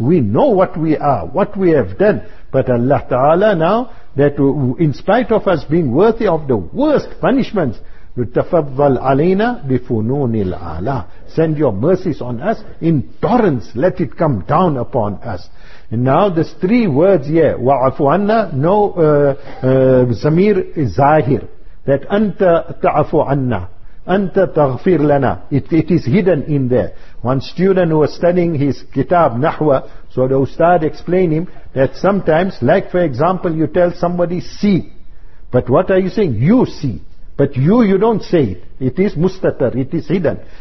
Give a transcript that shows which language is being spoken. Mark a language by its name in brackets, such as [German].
[English] We know what we are, what we have done. But Allah Ta'ala now, that in spite of us being worthy of the worst punishments, [Arabic] وَتَفَضَّلْ عَلَيْنَا بِفُنُونِ الْعَلَىٰ. [English] Send your mercies on us in torrents. Let it come down upon us. And now there's three words here. [Arabic] وَعَفُ عَنَّا. [English] No, zamir is zahir. That [Arabic] أَنْتَ تَعَفُ عَنَّا. Anta taghfir lana. [English] It is hidden in there. One student who was studying his kitab Nahwa, so the ustad explained him that sometimes, like for example, you tell somebody see, but what are you saying? You see, but you don't say it. It is mustatar. It is hidden.